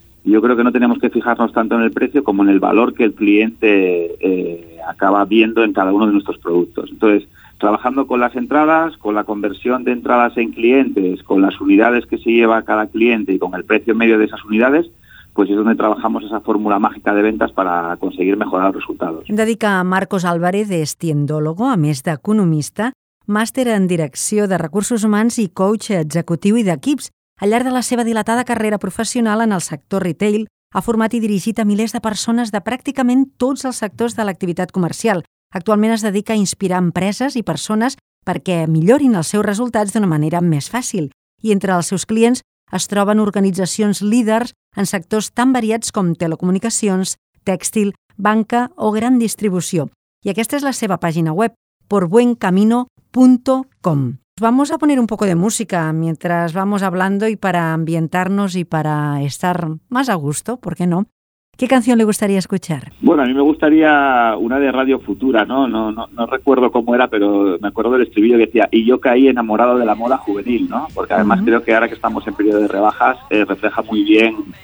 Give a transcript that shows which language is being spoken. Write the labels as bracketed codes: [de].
[es] Yo creo que no tenemos que fijarnos tanto en el precio como en el valor que el cliente acaba viendo en cada uno de nuestros productos. Entonces, trabajando con las entradas, con la conversión de entradas en clientes, con las unidades que se lleva cada cliente y con el precio medio de esas unidades, pues es donde trabajamos esa fórmula mágica de ventas para conseguir mejorar los resultados. [ca] Dedica a Marcos Álvarez, es tiendólogo, a més d'economista, màster en direcció de recursos humans i coach executiu i d'equips. Al llarg de la seva dilatada carrera professional en el sector retail, ha format i dirigit a milers de persones de pràcticament tots els sectors de l'activitat comercial. Actualment es dedica a inspirar empreses i persones perquè millorin els seus resultats d'una manera més fàcil. I entre els seus clients es troben organitzacions líders en sectors tan variats com telecomunicacions, tèxtil, banca o gran distribució. I aquesta és la seva pàgina web, porbuencamino.com. [es] Vamos a poner un poco de música mientras vamos hablando y para ambientarnos y para estar más a gusto, ¿por qué no? ¿Qué canción le gustaría escuchar? Bueno, a mí me gustaría una de Radio Futura, ¿no? No recuerdo cómo era, pero me acuerdo del estribillo que decía y yo caí enamorado de la moda juvenil, ¿no? Porque además creo que ahora que estamos en periodo de rebajas refleja muy bien